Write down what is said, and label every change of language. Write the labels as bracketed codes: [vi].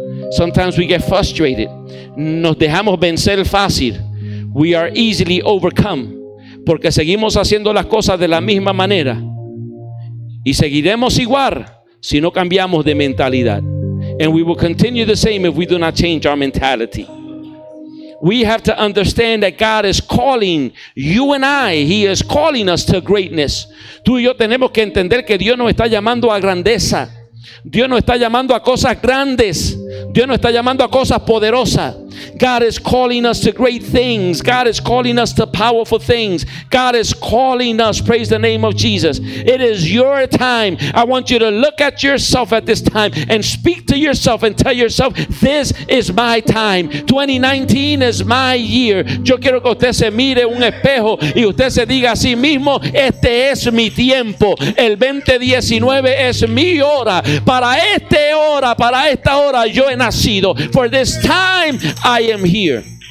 [en] Sometimes we get frustrated. [es] Nos dejamos vencer fácil. [en] We are easily overcome, [es] porque seguimos haciendo las cosas de la misma manera y seguiremos igual si no cambiamos de mentalidad. [en] And we will continue the same if we do not change our mentality. We have to understand that God is calling you and I. He is calling us to greatness. [es] Tú y yo tenemos que entender que Dios nos está llamando a grandeza. Dios nos está llamando a cosas grandes. Dios nos está llamando a cosas poderosas. [en] God is calling us to great things. God is calling us to powerful things. God is calling us, praise the name of Jesus. It is your time. I want you to look at yourself at this time and speak to yourself and tell yourself, this is my time. 2019 is my year. [es] Yo quiero que usted se mire un espejo y usted se diga a sí mismo, este es mi tiempo. El 2019 es mi hora. Para esta hora yo he nacido. [en] For this time I am here.